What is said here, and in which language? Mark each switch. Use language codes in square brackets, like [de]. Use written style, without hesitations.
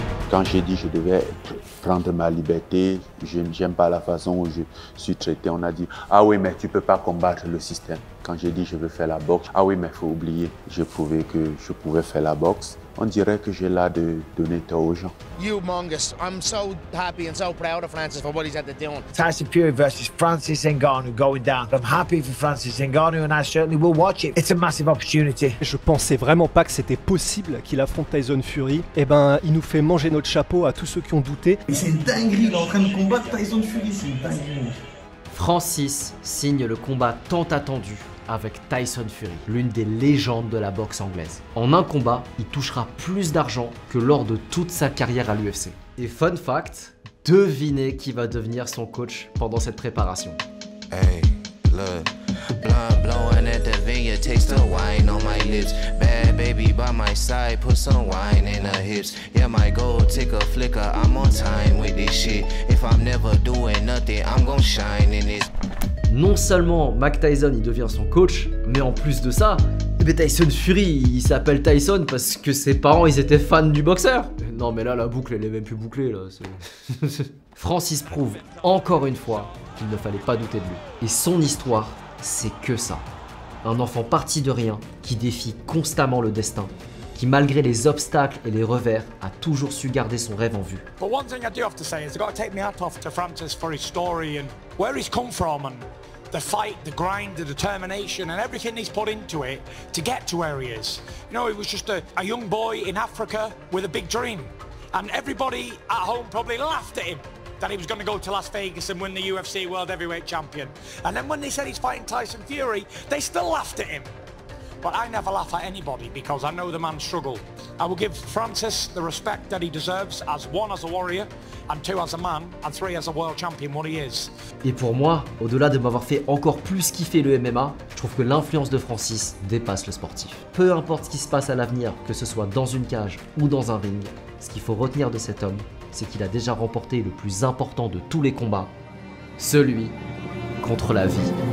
[fr] Quand j'ai dit que je devais prendre ma liberté, je n'aime pas la façon où je suis traité. On a dit, ah oui, mais tu ne peux pas combattre le système. Quand j'ai dit que je veux faire la boxe, ah oui, mais il faut oublier. J'ai prouvé que je pouvais faire la boxe. On dirait que j'ai l'air de donner tort aux gens. [en] Humongous. I'm so happy and so proud of Francis for what he's had to do. Tyson Fury versus Francis Ngannou going down. I'm happy for Francis Ngannou and I certainly will watch it. It's a massive opportunity. [fr] Je pensais vraiment pas que c'était possible qu'il affronte Tyson Fury. Eh ben, il nous fait manger notre chapeau à tous ceux qui ont douté. Mais c'est une dinguerie, il est en train de combattre Tyson Fury, c'est une dinguerie. Francis signe le combat tant attendu avec Tyson Fury, l'une des légendes de la boxe anglaise. En un combat, il touchera plus d'argent que lors de toute sa carrière à l'UFC. Et fun fact, devinez qui va devenir son coach pendant cette préparation. [en] Hey, look. Blunt blowing at the vineyard, taste the wine on my lips. Bad baby by my side, put some wine in her hips. Yeah, my gold ticker flicker, I'm on time with this shit. If I'm never doing nothing, I'm gonna shine in this. [fr] Non seulement Mike Tyson y devient son coach, mais en plus de ça, Tyson Fury, il s'appelle Tyson parce que ses parents, ils étaient fans du boxeur. Non mais là, la boucle, elle est même plus bouclée. Là. Francis prouve encore une fois qu'il ne fallait pas douter de lui. Et son histoire, c'est que ça. Un enfant parti de rien, qui défie constamment le destin, qui malgré les obstacles et les revers, a toujours su garder son rêve en vue. [en] But one thing I do have to say is I've got to take my hat off to Francis for his story and where he's come from and the fight, the grind, the determination and everything he's put into it to get to where he is. You know, he was just a young boy in Africa with a big dream. And everybody at home probably laughed at him that he was going to go to Las Vegas and win the UFC World Heavyweight Champion. And then when they said he's fighting Tyson Fury, they still laughed at him. But I never laugh at anybody because I know the man's struggle. I will give Francis the respect that he deserves as one as a warrior, and two as a man, and three as a world champion what he is. [fr] Et pour moi, au-delà de m'avoir fait encore plus kiffer le MMA, je trouve que l'influence de Francis dépasse le sportif. Peu importe ce qui se passe à l'avenir, que ce soit dans une cage ou dans un ring, ce qu'il faut retenir de cet homme, c'est qu'il a déjà remporté le plus important de tous les combats, celui contre la vie.